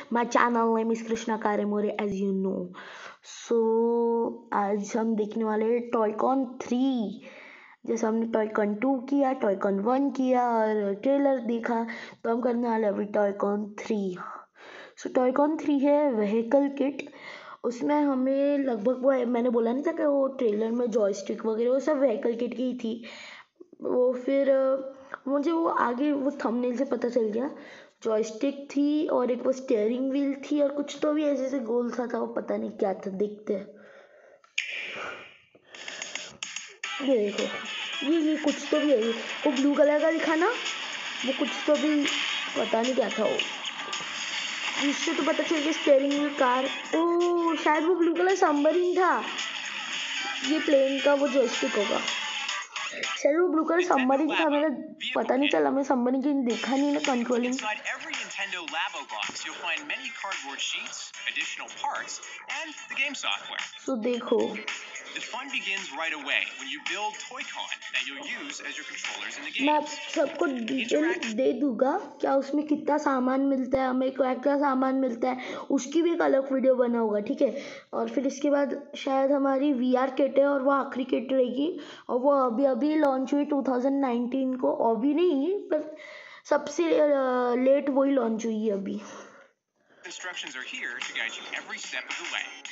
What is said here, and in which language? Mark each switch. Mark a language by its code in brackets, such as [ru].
[en] My channel name is Krishna Karemore, as you know. [hi] So आज हम देखने वाले टॉयकॉन 3, जैसे हमने टॉयकॉन 2 किया, टॉयकॉन 1 किया और ट्रेलर देखा, तो हम करने वाले अभी टॉयकॉन 3. So टॉयकॉन 3 है व्हीकल किट. उसमें हमें लगभग, वो मैंने बोला नहीं था कि वो ट्रेलर में जॉयस्टिक वगैरह वो सब व्हीकल किट की थी वो. फिर मुझे वो आगे वो थंबनेल से पता चल गया, जॉयस्टिक थी और एक वो स्टीयरिंग व्हील थी और कुछ तो भी ऐसे से गोल सा था, वो पता नहीं क्या था. देखते देखो, ये कुछ तो भी है, वो ब्लू कलर का दिखा ना, वो कुछ तो भी पता नहीं क्या था वो. इससे तो पता चल गया स्टीयरिंग व्हील कार, ओ शायद वो ब्लू कलर सबमरीन था, ये प्लेन का वो जॉयस्टिक होगा शायद, वो ब्लू कलर सबमरीन था. मेरा पता नहीं चला, मैं सबमरीन की देखा नहीं ना controlling. [en] Nintendo Labo box, you'll find many cardboard sheets, additional parts, and the game software. [hi] So, देखो. [en] The fun begins right away when you build Toy-Con that you'll use as your controllers in the game. [hi] मैं आप सबको detail दे दूंगा क्या उसमें कितना सामान मिलता है, हमें क्या क्या सामान मिलता है, उसकी भी एक अलग वीडियो बना होगा, ठीक है. और फिर इसके बाद शायद हमारी VR किट है और वो आखिरी किट रहेगी, और वो अभी अभी लॉन्च हुई 2019 को, अभी नहीं पर सबसे लेट वही लॉन्च हुई है अभी. [en] Instructions are here to guide you every step of the way.